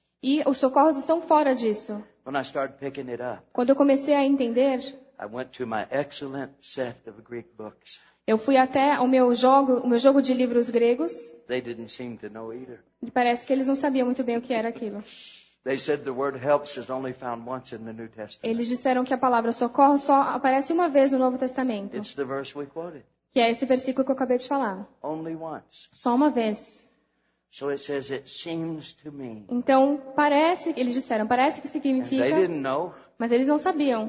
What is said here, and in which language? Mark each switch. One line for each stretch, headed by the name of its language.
Portuguese: E os socorros estão fora disso.
English: When I started picking it up,
Portuguese: quando eu comecei a entender,
English: I went to my excellent set of Greek books.
Portuguese: Eu fui até o meu jogo de livros gregos.
English: They didn't seem to know either.
Portuguese: E parece que eles não sabiam muito bem o que era aquilo.
English: They said the word helps is only found once in the New Testament.
Portuguese: Eles disseram que a palavra socorro só aparece uma vez no Novo Testamento.
English: It's the verse we quoted.
Portuguese: Que é esse versículo que eu acabei de falar.
English: Only once.
Portuguese: Só uma vez.
English: So it says it seems to me.
Portuguese: Então parece, eles disseram, parece que significa.
English: They didn't know,
Portuguese: mas eles não sabiam.